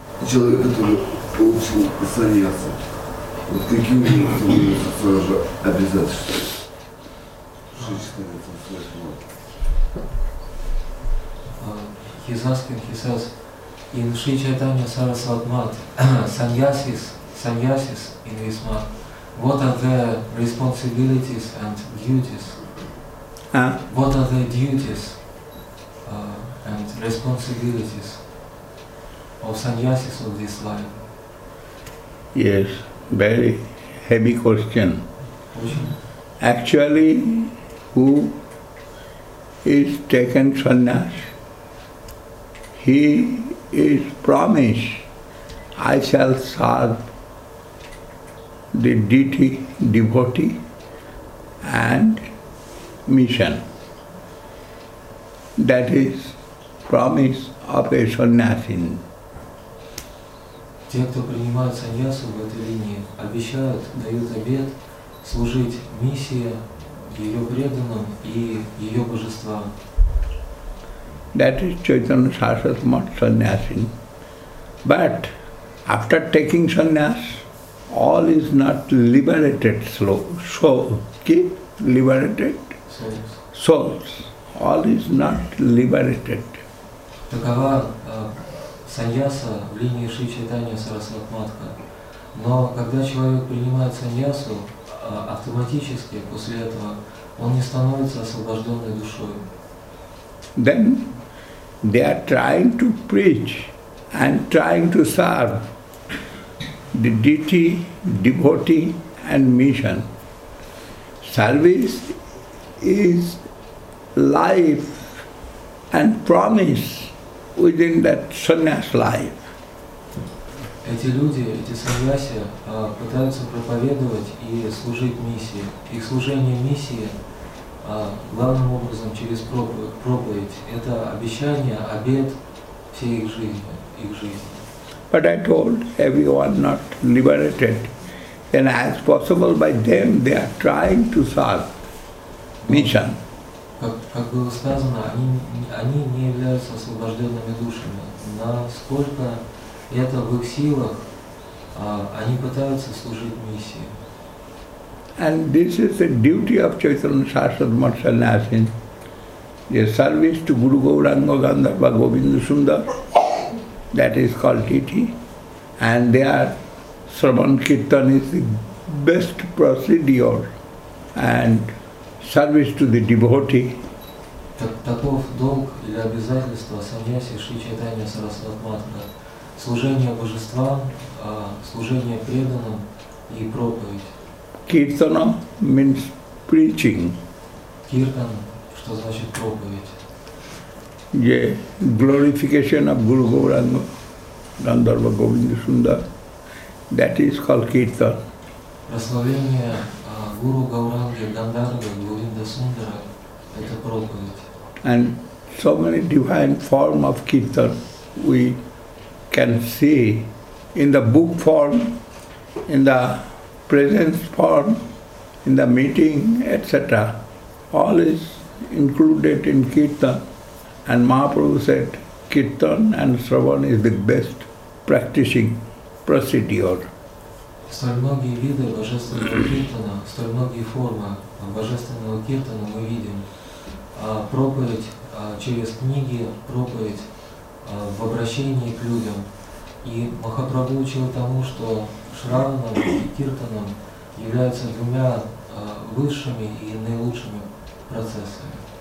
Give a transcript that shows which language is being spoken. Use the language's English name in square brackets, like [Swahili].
[Russian] человек, который получил саньяса, вот какие у него сразу же обязательства? [English] Из нас, как Иисус, ин Шри Чайтанья Сарасватмат, саньясис, саньясис, ин висмат. What are the responsibilities and duties? What are the duties and responsibilities of sannyasis of this life? Yes, very heavy question. Actually, who is taken sannyas? He is promised, I shall serve the deity, devotee, and mission. That is promise of a sannyasin. [Russian] Те, кто принимают саньясу в этой линии, обещают, дают обет служить миссии, ее преданным и ее божествам. [English] That is Chaitanya Sarasvatmat sannyasin. But after taking sannyas, all is not liberated souls. All is not liberated. [Russian] Такова саньяса в линии Шри Чайтанья Сарасватматха. Но когда человек принимает саньясу, автоматически после этого он не становится освобожденной душой. [English] Then they are trying to preach and trying to serve the deity, devotee and mission. Service is life and promise within that sannyas life. [Russian] Эти люди, эти саньяси, пытаются проповедовать и служить миссии. Их служение миссии главным образом через проповедь. Это обещание, обет всей их жизни, их жизни. [English] But I told everyone not liberated, and as possible by them, they are trying to serve mission. [Russian] Как было сказано, они не являются освобожденными душами. Насколько это в их силах, они пытаются служить миссии. [English] And this is the duty of Chaitanya Sarasvatmat Sannyasin, the service to Guru Gauranga Gandharva Govinda Sundar, that is called deity, and they are Sravan Kirtan is the best procedure and service to the devotee. [Russian] Таков долг или обязательство саньяси Шри Чайтанья Сарасватматха, служение божествам, служение преданным и проповедь. [English] Kirtana means preaching. [Russian] Kirtan, что значит проповедь? [English] Yeah, glorification of Guru Gauranga Gandharva Govinda Sundar. That is called Kirtan. [Russian] Прославление Guru Gauranga Gandharva Govinda Sundara – это проповедь. [English] And so many divine forms of Kirtan we can see in the book form, in the presence form, in the meeting, etc. All is included in Kirtan. And Mahaprabhu said, Kirtan and Sravan is the best practicing procedure. [Russian] Столь многие виды Божественного Киртана, столь многие формы Божественного Киртана мы видим. Проповедь через книги, проповедь в обращении к людям. И Махапрабху учил тому, что Шраванам и Киртанам являются двумя высшими и наилучшими процессами.